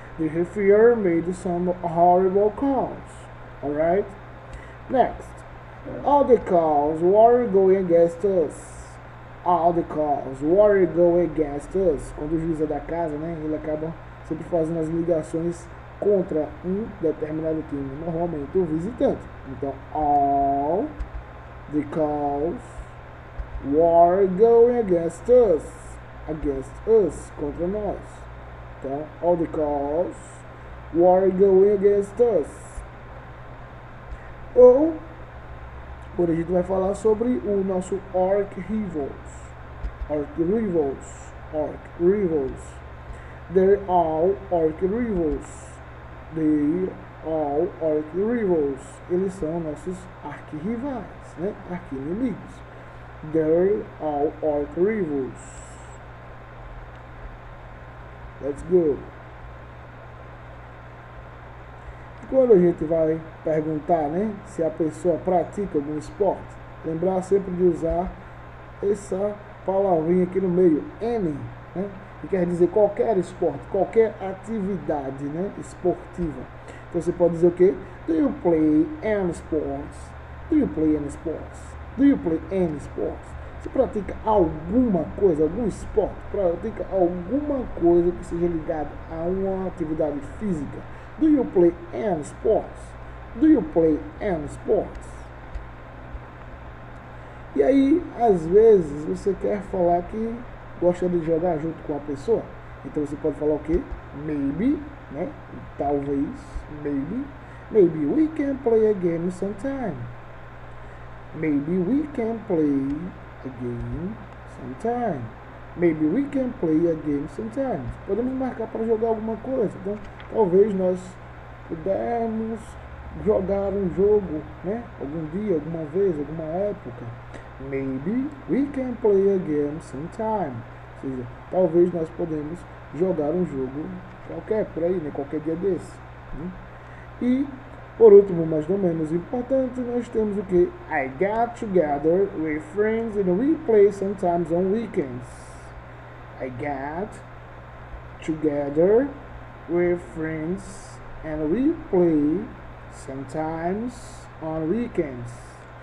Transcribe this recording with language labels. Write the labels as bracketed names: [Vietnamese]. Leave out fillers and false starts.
[English] The referee made some horrible calls. Alright? Next. All the calls were going against us. All the calls were going against us. [Portuguese] Quando o juiz é da casa, né, ele acaba sempre fazendo as ligações contra um determinado time, normalmente o visitante. [English] Então, all the calls were going against us. Against us, [Portuguese] contra nós. [English] Então, all the calls were going against us. [Portuguese] Ou, por a gente vai falar sobre o nosso arch-rivals. [English] Arch-rivals. Arch-rivals. They're all arch-rivals. They're all arch-rivals. [Portuguese] Eles são nossos arquirrivais, né? Arquinimigos. [English] They're all arch-rivals. Let's go. [Portuguese] Quando a gente vai perguntar, né, se a pessoa pratica algum esporte, lembrar sempre de usar essa palavrinha aqui no meio, any, né, que quer dizer qualquer esporte, qualquer atividade, né, esportiva. Então você pode dizer o quê? [English] Do you play any sports? Do you play any sports? Do you play any sports? [Portuguese] Você pratica alguma coisa, algum esporte? Pratica alguma coisa que seja ligada a uma atividade física? [English] Do you play any sports? Do you play any sports? [Portuguese] E aí, às vezes, você quer falar que gosta de jogar junto com a pessoa. Então você pode falar o quê? Maybe, né? Talvez, maybe. [English] Maybe we can play a game sometime. Maybe we can play a game sometime. Maybe we can play a game sometime. [Portuguese] Podemos marcar para jogar alguma coisa. Então, talvez nós pudermos jogar um jogo, né? Algum dia, alguma vez, alguma época. [English] Maybe we can play a game sometime. [Portuguese] Ou seja, talvez nós podemos jogar um jogo qualquer, por aí, né? Qualquer dia desse. Né? E, por último, mas não menos importante, nós temos o que? [English] I got together with friends and we play sometimes on weekends. I got together with friends and we play sometimes on weekends.